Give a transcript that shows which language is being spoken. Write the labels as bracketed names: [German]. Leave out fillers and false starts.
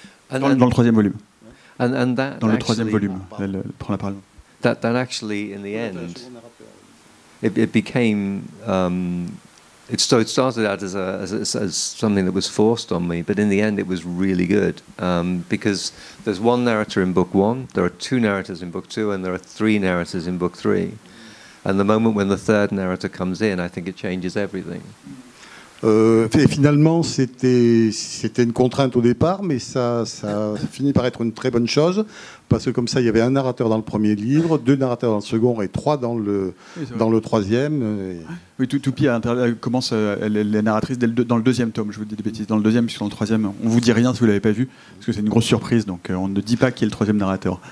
[French] Dans le troisième volume. [English] And that [French] dans le troisième volume, elle prend la parole. [English] That actually, in the end, it became it started out as something that was forced on me, but in the end it was really good, because there's one narrator in book one, there are two narrators in book two, and there are three narrators in book three, and the moment when the third narrator comes in, I think it changes everything. [French] Et finalement, c'était une contrainte au départ, mais ça finit par être une très bonne chose, parce que comme ça, il y avait un narrateur dans le premier livre, deux narrateurs dans le second et trois dans le troisième. Oui, Toupie commence, elle est narratrice dans le deuxième tome, je vous dis des bêtises, dans le deuxième, puisque dans le troisième, on ne vous dit rien si vous ne l'avez pas vu, parce que c'est une grosse surprise, donc on ne dit pas qui est le troisième narrateur.